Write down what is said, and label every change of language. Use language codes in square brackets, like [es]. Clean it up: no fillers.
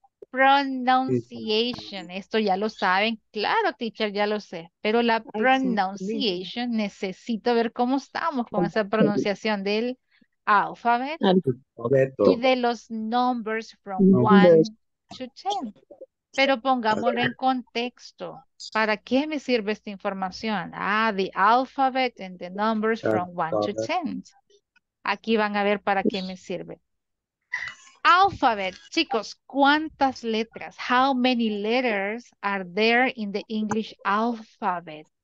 [es] Pronunciation, esto ya lo saben, claro, teacher, ya lo sé, pero la pronunciation, necesito ver cómo estamos con esa pronunciación del alfabeto y de los numbers from 1 to 10, pero pongámoslo en contexto. ¿Para qué me sirve esta información? [en] Ah, the alphabet and the numbers from 1 to 10. [es] Aquí van a ver para qué me sirve. Alphabet, chicos, ¿cuántas letras? [en] How many letters are there in the English alphabet?